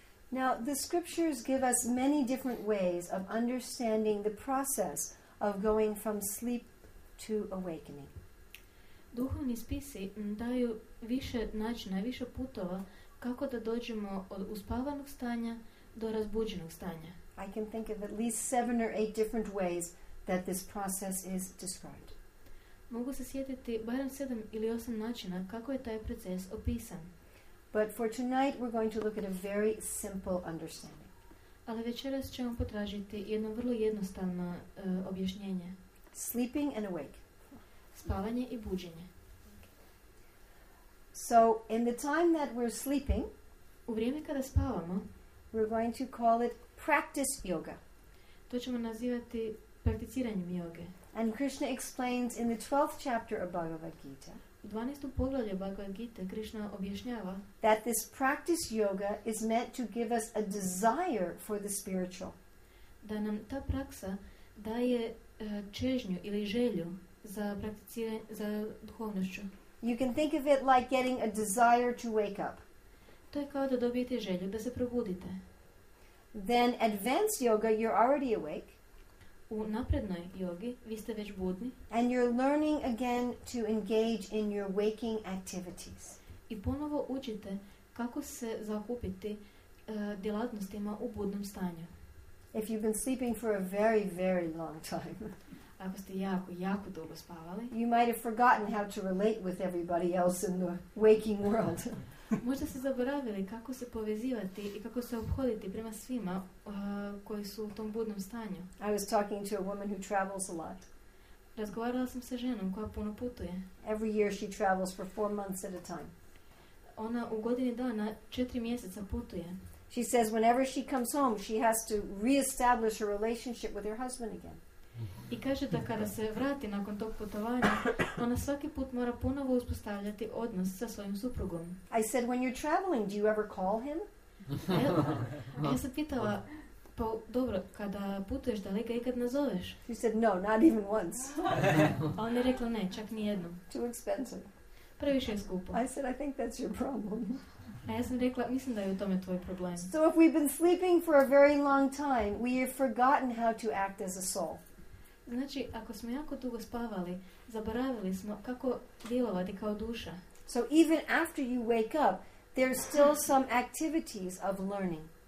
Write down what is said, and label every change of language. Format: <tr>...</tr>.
<en>Now, the scriptures give us many different ways of understanding the process of going from sleep to awakening.</en> <hr>Duhovni spisi daju više načina, više putova kako da dođemo od uspavanog stanja do razbuđenog stanja.</hr> <en>I can think of at least 7 or 8 different ways that this process is described.</en> <hr>Mogu se sjetiti barem 7 ili 8 načina kako je taj proces opisan.</hr> <en>But for tonight we're going to look at a very simple understanding.</en> <hr>Ali večeras ćemo potražiti jedno vrlo jednostavno objašnjenje.</hr> <en>Sleeping and awake.</en> <hr>Spavanje i buđenje.</hr> <en>So, in the time that we're sleeping,</en> <hr>u vrijeme kada spavamo,</hr> <en>we're going to call it practice yoga.</en> <hr>To ćemo nazivati prakticiranjem joge.</hr> <en>And Krishna explains in the 12th chapter of Bhagavad Gita,</en> <hr>u 12. poglavlju Bhagavad Gita, Krishna objašnjava</hr> <en>that this practice yoga is meant to give us a desire for the spiritual.</en> <hr>Da nam ta praksa daje čežnju ili želju za prakticiranje za duhovnošću.</hr> <en>You can think of it like getting a desire to wake up.</en> <hr>To je kao da dobijete želju da se probudite.</hr> <en>Then advanced yoga, you're already awake.</en> <hr>U naprednoj jogi vi ste već budni.</hr> <en>And you're learning again to engage in your waking activities.</en> <hr>I ponovo učite kako se zaokupiti djelatnostima u budnom stanju.</hr> <en>If you've been sleeping for a very, very long time.</en> <hr>Ako ste jako, jako dugo spavali.</hr> <en>You might have forgotten how to relate with everybody else in the waking world.</en> <hr>Možda ste zaboravili kako se povezivati i kako se obhoditi prema svima koji su u tom budnom stanju.</hr> <en>I was talking to a woman who travels a lot.</en> <hr>Razgovarala sam sa ženom koja puno putuje.</hr> <en>Every year she travels for 4 months at a time.</en> <hr>Ona u godini dana 4 mjeseca putuje.</hr> <en>She says whenever she comes home, she has to reestablish her relationship with her husband again.</en> <hr>I kaže da kada se vrati nakon tog putovanja, ona svaki put mora ponovo uspostavljati odnos sa svojim suprugom.</hr> <en>I said, when you're traveling, do you ever call him?</en> <hr>Ja sam pitala, pa dobro, kada putuješ, da li ga ikad nazoveš?</hr> <en>She said, no, not even once.</en> <hr>A ona je rekla, ne, čak ni jednom.</hr> <en>Too expensive.</en> <hr>Previše je skupo.</hr> <en>I said, I think that's your problem.</en> <hr>A ja sam rekla, mislim da je u tome tvoj problem.</hr> <en>So if we've been sleeping for a very long time, we have forgotten how to act as a soul.</en> <hr>Znači, ako smo jako dugo spavali, zaboravili smo kako djelovati kao duša.</hr> <en>So even after you wake up, there's still some activities of learning.</en>